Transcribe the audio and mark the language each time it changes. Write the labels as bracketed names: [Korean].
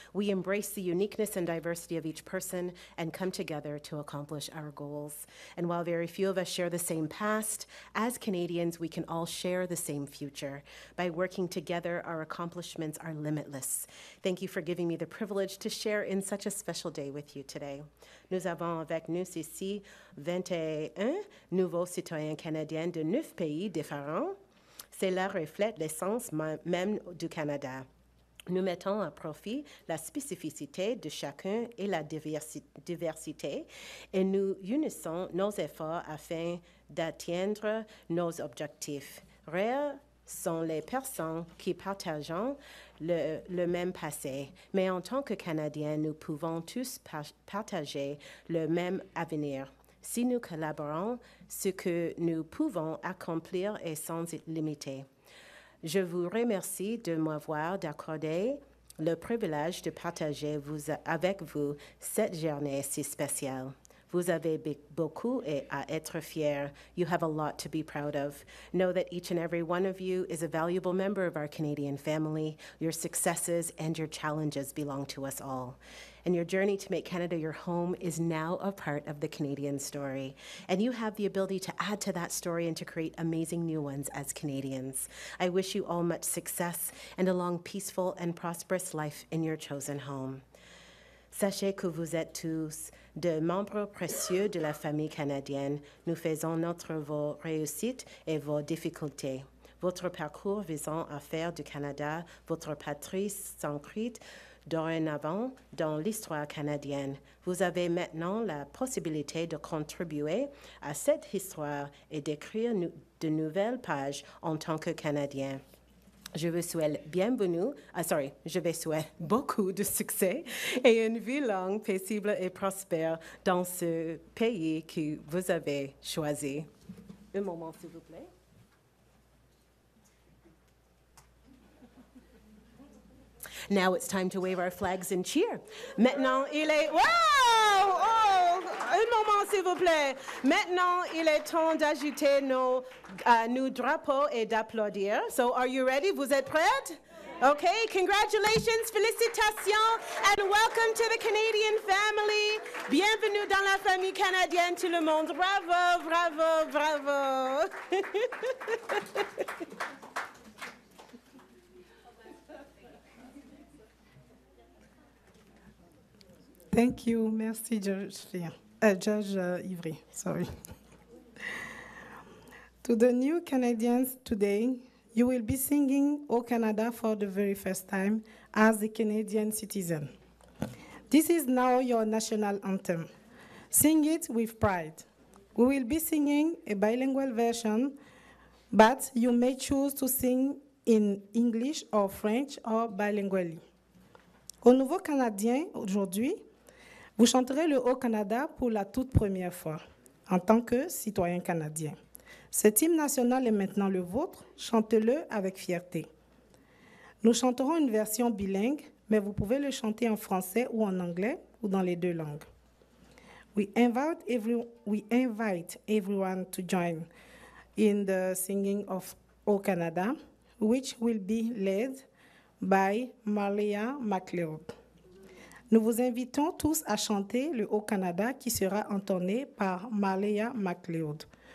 [English] We embrace the uniqueness and diversity of each person and come together to accomplish our goals. And while very few of us share the same past, as Canadians, we can all share the same future. By working together, our accomplishments are limitless. Thank you for giving me the privilege to share in such a special day with you today. [French] Nous avons avec nous ici 21 nouveaux citoyens canadiens de 9 pays différents. Cela reflète l'essence même du Canada. Nous mettons à profit la spécificité de chacun et la diversité, et nous unissons nos efforts afin d'atteindre nos objectifs. Rares sont les personnes qui partagent le même passé, mais en tant que Canadiens, nous pouvons tous partager le même avenir. Si nous collaborons, ce que nous pouvons accomplir est sans limiter. Je vous remercie de m'avoir accordé le privilège de partager avec vous cette journée si spéciale. Vous avez beaucoup à être fiers. [English] You have a lot to be proud of. Know that each and every one of you is a valuable member of our Canadian family. Your successes and your challenges belong to us all. And your journey to make Canada your home is now a part of the Canadian story. And you have the ability to add to that story and to create amazing new ones as Canadians. I wish you all much success and a long, peaceful, and prosperous life in your chosen home. [French] Sachez que vous êtes tous de membres précieux de la famille canadienne. Nous faisons notre vos réussites et vos difficultés. Votre parcours visant à faire du Canada votre patrie s'ancrite dorénavant dans l'histoire canadienne. Vous avez maintenant la possibilité de contribuer à cette histoire et d'écrire de nouvelles pages en tant que Canadien. Je vous souhaite bienvenue, je vous souhaite beaucoup de succès et une vie longue, paisible et prospère dans ce pays que vous avez choisi. Un moment, s'il vous plaît. [English] Now it's time to wave our flags and cheer. [French] Maintenant, il est... Wow! Oh! Un moment, s'il vous plaît. Maintenant, il est temps d'ajouter nos drapeaux et d'applaudir. [English] So, are you ready? [French] Vous êtes prêtes? [English] Okay, congratulations, félicitations, and welcome to the Canadian family. [French] Bienvenue dans la famille canadienne, tout le monde. Bravo, bravo, bravo. [English] Thank you, merci, Judge Ivri. Sorry. To the new Canadians today, you will be singing "O Canada" for the very first time as a Canadian citizen. This is now your national anthem. Sing it with pride. We will be singing a bilingual version, but you may choose to sing in English or French or bilingually. [French] Au nouveau Canadien aujourd'hui. Vous chanterez le Haut Canada pour la toute première fois en tant que citoyen canadien. Cet hymne national est maintenant le vôtre, chantez-le avec fierté. Nous chanterons une version bilingue, mais vous pouvez le chanter en français ou en anglais ou dans les deux langues. [English] We invite everyone to join in the singing of Haut Canada, which will be led by Marlayah McLeod. [French] Nous vous invitons tous à chanter le Haut Canada qui sera entonné par Marlayah McLeod.